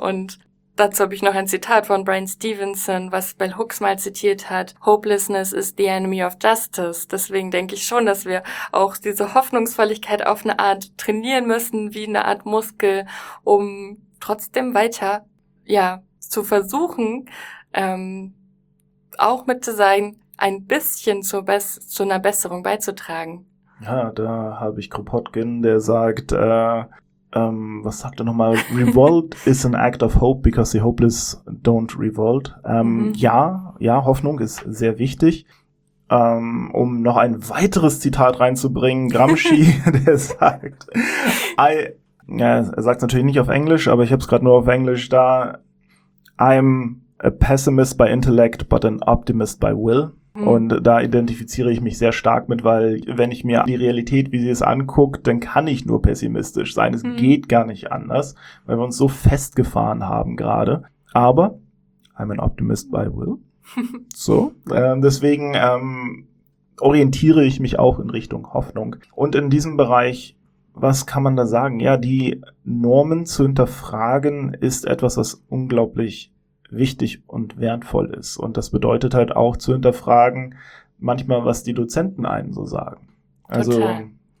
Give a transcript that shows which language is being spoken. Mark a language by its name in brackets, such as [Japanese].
[German] Und dazu habe ich noch ein Zitat von Bryan Stevenson, was Bell Hooks mal zitiert hat. [English] Hopelessness is the enemy of justice. [German] Deswegen denke ich schon, dass wir auch diese Hoffnungsvolligkeit auf eine Art trainieren müssen, wie eine Art Muskel, um trotzdem weiter, ja, zu versuchen, auch mit zu sein, ein bisschen zu einer Besserung beizutragen. Ja, da habe ich Kropotkin, der sagt, was sagt er nochmal? [English] Revolt is an act of hope because the hopeless don't revolt. [German] Ja, Hoffnung ist sehr wichtig. Um noch ein weiteres Zitat reinzubringen, Gramsci, der sagt, er sagt es natürlich nicht auf Englisch, aber ich habe es gerade nur auf Englisch da. [English] I'm a pessimist by intellect, but an optimist by will. [German] Und da identifiziere ich mich sehr stark mit, weil wenn ich mir die Realität, wie sie es anguckt, dann kann ich nur pessimistisch sein. Es geht gar nicht anders, weil wir uns so festgefahren haben gerade. Aber [English] I'm an optimist by will. [German] So, deswegen orientiere ich mich auch in Richtung Hoffnung. Und in diesem Bereich, was kann man da sagen? Ja, die Normen zu hinterfragen ist etwas, was unglaublich wichtig und wertvoll ist. Und das bedeutet halt auch zu hinterfragen, manchmal, was die Dozenten einem so sagen. Also okay.